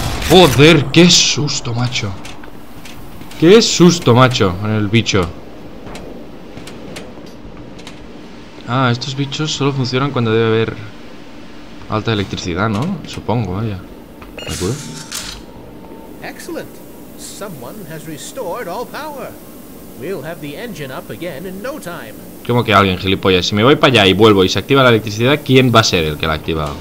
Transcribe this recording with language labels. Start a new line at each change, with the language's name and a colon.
Spanish: ¡Joder! ¡Qué susto, macho! ¡Qué susto, macho! Con el bicho. Ah, estos bichos solo funcionan cuando debe haber alta electricidad, ¿no? Supongo, vaya. ¿Me cura? Excelente. Alguien ha restaurado todo el poder.
English: We'll have the engine up again in no time.
Spanish: ¿Cómo que alguien, gilipollas? Si me voy para allá y vuelvo y se activa la electricidad, ¿quién va a ser el que la ha activado?